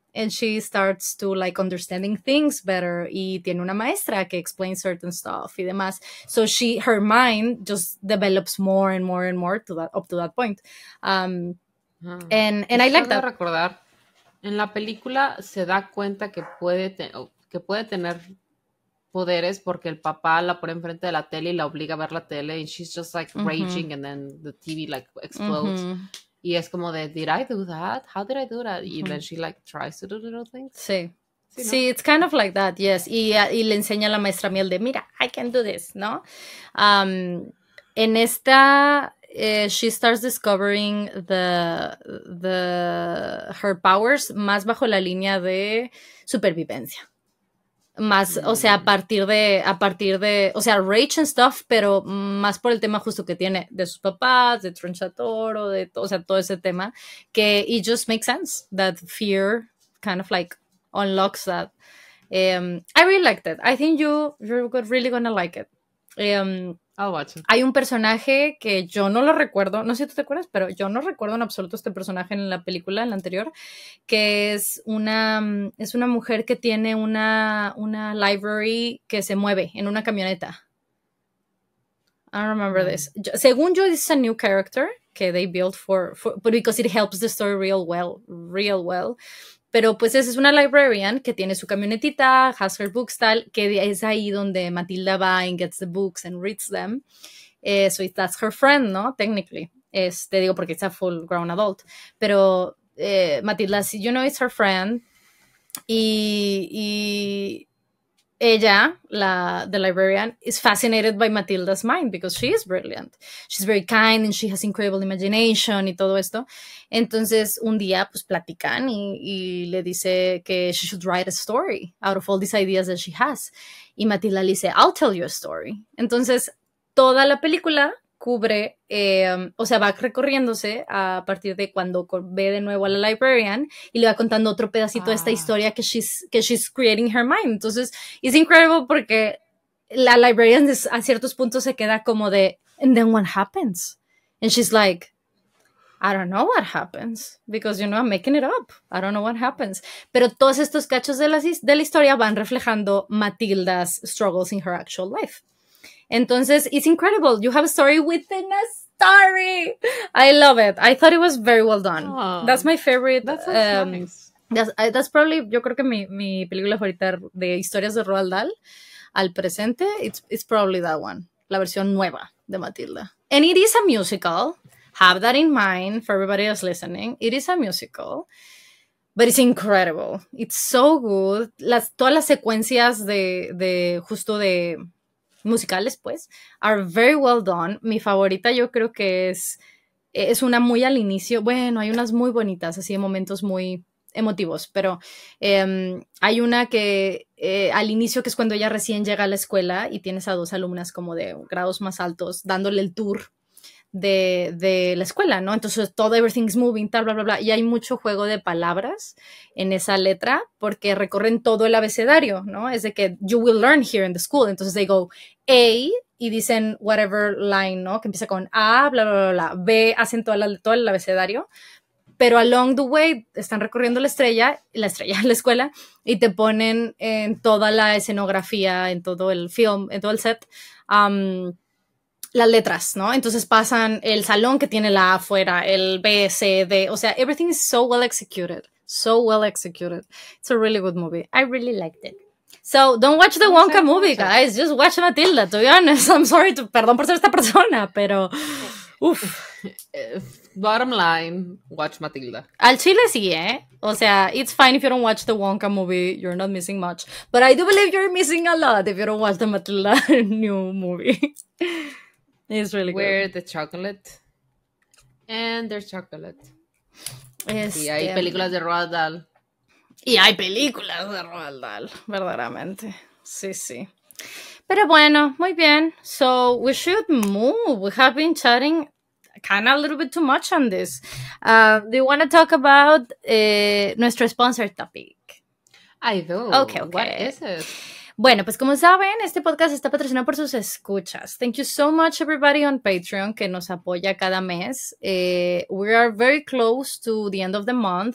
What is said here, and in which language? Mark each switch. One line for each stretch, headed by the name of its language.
English: And she starts to, like, understanding things better.
Spanish: Y tiene una maestra que
English: explains certain stuff
Spanish: y demás.
English: So she, her mind just develops more and more and more up to that point. And I like that.
Spanish: Recordar, en la película se da cuenta que puede tener poderes porque el papá la pone enfrente de la tele y la obliga a ver la tele.
English: And she's just, like, raging and then the TV, like, explodes.
Spanish: Y es como de,
English: did I do that? How did I do that? Y then she, like, tries to do little things.
Spanish: Sí. Sí,
English: it's kind of like that, yes.
Spanish: Y le enseña a la maestra Miel de, mira,
English: I can do this,
Spanish: ¿no? En esta,
English: she starts discovering her powers
Spanish: más bajo la línea de supervivencia. Más, o sea, a partir de, o sea,
English: rage and stuff,
Spanish: pero más por el tema justo que tiene de sus papás, de Tronchatoro, de o sea, todo ese tema, que
English: it just makes sense that fear kind of like unlocks that. I really liked it. I think you're really gonna like it. I'll watch it.
Spanish: Hay un personaje que yo no lo recuerdo, no sé si tú te acuerdas, pero yo no recuerdo en absoluto este personaje en la película, en la anterior, que es una mujer que tiene una library que se mueve en una camioneta.
English: I don't remember this.
Spanish: Según yo,
English: this is a new character que they built for because it helps the story real well.
Spanish: Pero pues esa es una librarian que tiene su camionetita,
English: has her books,
Spanish: tal, que es ahí donde Matilda va
English: and gets the books and reads them. So that's her friend, ¿no? Technically.
Spanish: Este, digo, porque es
English: a full grown adult. Pero Matilda, you know, it's her friend. Y ella, the librarian, is fascinated by Matilda's mind because she is brilliant. She's very kind and she has incredible imagination
Spanish: y todo esto. Entonces, un día, pues, platican y le dice que
English: she should write a story out of all these ideas that she has.
Spanish: Y Matilda le dice,
English: I'll tell you a story.
Spanish: Entonces, toda la película cubre, o sea, va recorriéndose a partir de cuando ve de nuevo a la librarian y le va contando otro pedacito de esta historia que
English: she's creating her mind.
Spanish: Entonces,
English: it's incredible
Spanish: porque la librarian a ciertos puntos se queda como de,
English: and then what happens? And she's like, I don't know what happens because, you know, I'm making it up. I don't know what happens.
Spanish: Pero todos estos cachos de la historia van reflejando
English: Matilda's struggles in her actual life. Entonces, it's incredible. You have a story within a story. I love it. I thought it was very well done. Oh, that's my favorite. That's nice. That's probably,
Spanish: yo creo que mi película favorita de historias de Roald Dahl al presente,
English: it's probably that one.
Spanish: La versión nueva de Matilda.
English: And it is a musical. Have that in mind for everybody that's listening. It is a musical. But it's incredible. It's so good.
Spanish: Todas las secuencias de musicales, pues,
English: are very well done.
Spanish: Mi favorita yo creo que es una muy al inicio. Bueno, hay unas muy bonitas, así de momentos muy emotivos, pero hay una que al inicio, que es cuando ella recién llega a la escuela y tienes a dos alumnas como de grados más altos dándole el tour de la escuela, ¿no? Entonces todo,
English: everything's moving,
Spanish: tal, bla, bla, bla. Y hay mucho juego de palabras en esa letra porque recorren todo el abecedario, ¿no? Es de que
English: you will learn here in the school. Entonces they go A
Spanish: y dicen
English: whatever line, ¿no?
Spanish: Que empieza con A, bla, bla, bla, bla. B, hacen todo el abecedario. Pero
English: along the way
Spanish: están recorriendo la estrella, la escuela, y te ponen en toda la escenografía, en todo el film, en todo el set, las letras, ¿no? Entonces pasan el salón que tiene la A afuera, el B, C, D.
English: O sea, everything is so well executed. So well executed. It's a really good movie. I really liked it. So, don't watch the Wonka movie, guys. Just watch Matilda, to be honest. I'm sorry.
Spanish: Perdón por ser esta persona, pero... Uf.
English: Bottom line, watch Matilda.
Spanish: Al chile sí, ¿eh?
English: O sea, it's fine if you don't watch the Wonka movie. You're not missing much. But I do believe you're missing a lot if you don't watch the Matilda new movie. It's really good. Where the chocolate. And there's chocolate.
Spanish: Y hay películas de Roald Dahl. Y hay películas de Roald Dahl, verdaderamente. Sí, sí. Pero bueno, muy bien.
English: So we should move. We have been chatting kind of a little bit too much on this. Do you want to talk about nuestro sponsor topic? I do. Okay, okay. What is it?
Spanish: Bueno, pues como saben, este podcast está patrocinado por sus escuchas.
English: Thank you so much, everybody on Patreon,
Spanish: que nos apoya cada mes.
English: We are very close to the end of the month.